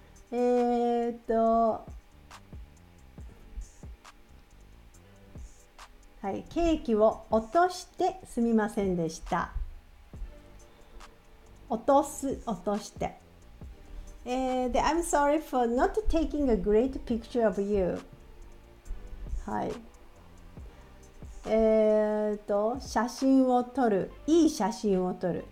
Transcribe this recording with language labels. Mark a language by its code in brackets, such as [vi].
[ja] はい、ケーキを落としてすみませんでした。落とす、落として。 [en] I'm sorry for not taking a great picture of you. [ja] はい。写真を撮る、いい写真を撮る。